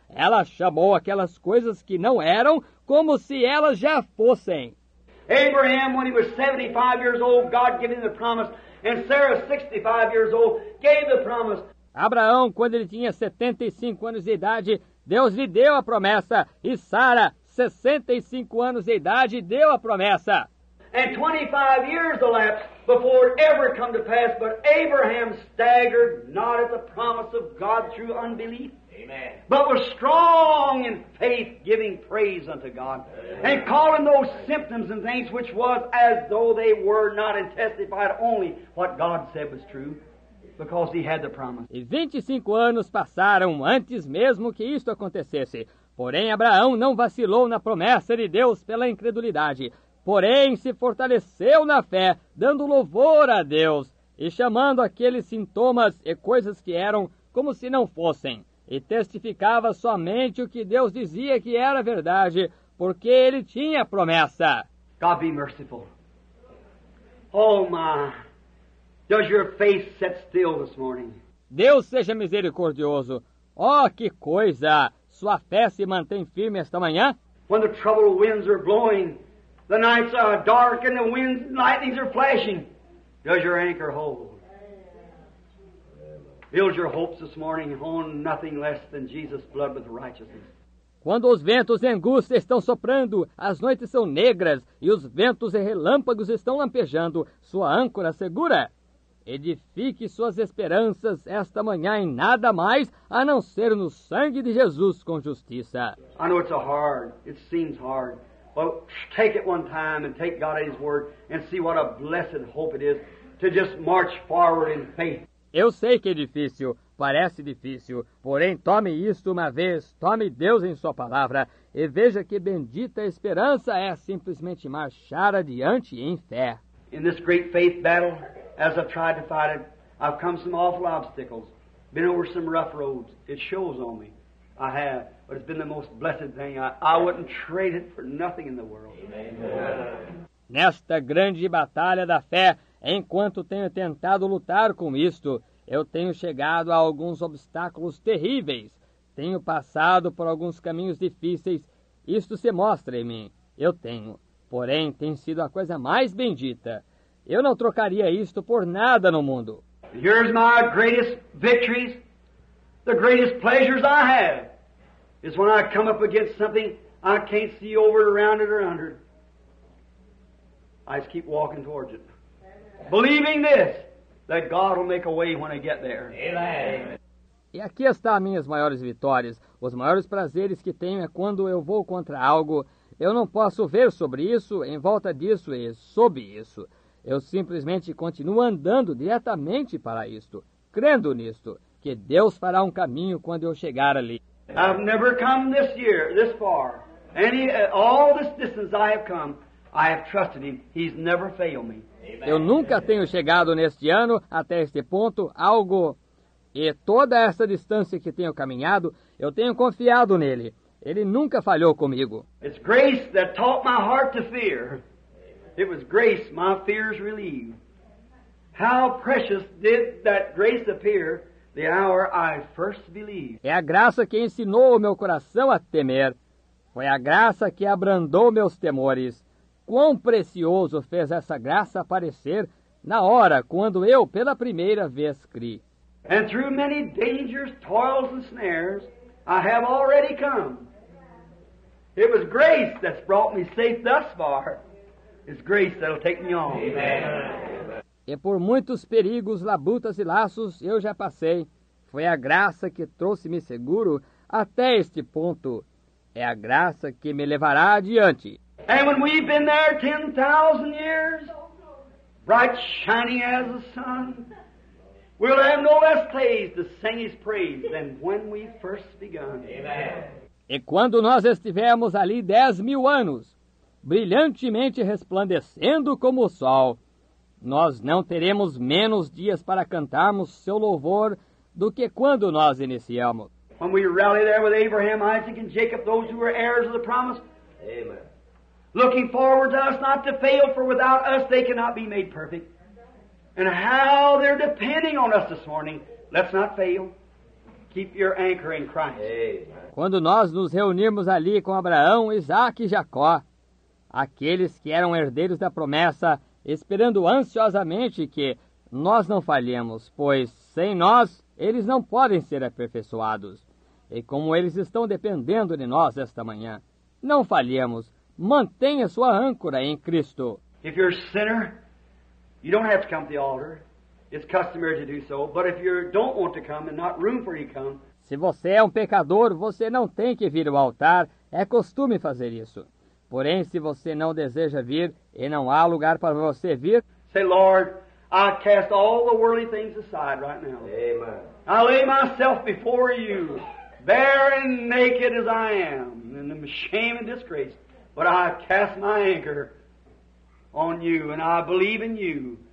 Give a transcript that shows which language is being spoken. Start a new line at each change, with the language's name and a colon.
Portuguese: Ela chamou aquelas coisas que não eram como se elas já fossem.
English: Abraham, when he was 75 years old, God gave him the promise, and Sarah, 65 years old, gave the promise.
Portuguese: Abraão, quando ele tinha 75 anos de idade, Deus lhe deu a promessa, e Sara, 65 anos de idade, deu a promessa.
English: And 25 years elapsed before it ever come to pass, but Abraham staggered not at the promise of God through unbelief. Amen. But was strong in faith, giving praise unto God. Amen. And calling those symptoms and things which was as though they were not, and testified only what God said was true, because he had the promise.
Portuguese: E 25 anos passaram antes mesmo que isto acontecesse. Porém, Abraão não vacilou na promessa de Deus pela incredulidade, porém se fortaleceu na fé, dando louvor a Deus e chamando aqueles sintomas e coisas que eram como se não fossem, e testificava somente o que Deus dizia que era verdade, porque ele tinha promessa.
English: God be merciful. Oh my, does your faith set still this morning?
Portuguese: Deus seja misericordioso. Oh, que coisa! Sua fé se mantém firme esta manhã?
English: When the troubled winds are blowing, the nights are dark and the winds and lightnings are flashing, does your anchor hold? Build your hopes this morning on nothing less than Jesus' blood with righteousness.
Portuguese: Quando os ventos de angústia estão soprando, as noites são negras e os ventos e relâmpagos estão lampejando, sua âncora segura? Edifique suas esperanças esta manhã em nada mais a não ser no sangue de Jesus com justiça.
English: I know it's hard, it seems hard. Well, take it one time and take God at His word and see what a blessed hope it is to just march forward in faith.
Portuguese: Eu sei que é difícil, parece difícil, porém tome isto uma vez, tome Deus em sua palavra e veja que bendita esperança é simplesmente marchar adiante em fé.
English: In this great faith battle, as I've tried to fight it, I've come some awful obstacles, been over some rough roads. It shows on me. I have, but it's been the most blessed thing. I wouldn't trade it for nothing in the world.
Portuguese: Nesta grande batalha da fé, enquanto tenho tentado lutar com isto, eu tenho chegado a alguns obstáculos terríveis. Tenho passado por alguns caminhos difíceis. Isto se mostra em mim. Eu tenho. Porém, tem sido a coisa mais bendita. Eu não trocaria isto por nada no mundo.
English: Here's my greatest victories. The greatest pleasures I have is when I come up against something I can't see over, around it, or under. I just keep walking towards it. Believing this, that God will make a way when I get there. Amen.
Portuguese: E aqui estão as minhas maiores vitórias. Os maiores prazeres que tenho é quando eu vou contra algo. Eu não posso ver sobre isso, em volta disso e sob isso. Eu simplesmente continuo andando diretamente para isto, crendo nisto, que Deus fará um caminho quando eu chegar ali.
English: I've never come this year, this far. All this distance I have come, I have trusted Him. He's never failed me.
Portuguese: Eu nunca tenho chegado neste ano, até este ponto, algo. E toda essa distância que tenho caminhado, eu tenho confiado nele. Ele nunca falhou comigo.
English: It's grace that taught my heart to fear. It was grace my fears relieved. How precious did that grace appear the hour I first believed.
Portuguese: É a graça que ensinou o meu coração a temer. Foi a graça que abrandou meus temores. Quão precioso fez essa graça aparecer na hora quando eu pela primeira vez cri.
English: And through many dangers, toils and snares, I have already come. It was grace that's brought me safe thus far. It's grace that'll take me on. Amen.
Portuguese: E por muitos perigos, labutas e laços, eu já passei. Foi a graça que trouxe-me seguro até este ponto. É a graça que me levará adiante.
English: And when we've been there 10,000 years, bright shining as the sun, we'll have no less place to sing His praise than when we first begun. Amen.
Portuguese: E quando nós estivermos ali 10,000 anos, brilhantemente resplandecendo como o sol, nós não teremos menos dias para cantarmos seu louvor do que quando nós iniciamos.
English: When we rally there with Abraham, Isaac and Jacob, those who were heirs of the promise. Amen. Looking forward to us not to fail, for without us they cannot be made perfect. And how they're depending on us this morning. Let's not fail. Keep your anchor in Christ. Amen.
Portuguese: Quando nós nos reunirmos ali com Abraão, Isaac e Jacó, aqueles que eram herdeiros da promessa, esperando ansiosamente que nós não falhemos, pois sem nós, eles não podem ser aperfeiçoados. E como eles estão dependendo de nós esta manhã, não falhemos, mantenha sua âncora em Cristo.
English: If you're a sinner, you don't have to come to the altar. It's customary to do so. But if you don't want to come and not room for you to come.
Portuguese: Se você é um pecador, você não tem que vir ao altar, é costume fazer isso. Porém, se você não deseja vir e não há lugar para você vir,
English: say, Lord, I cast all the worldly things aside right now. Amen. I lay myself before you, bare and naked as I am, in shame and disgrace. But I cast my anchor on you, and I believe in you.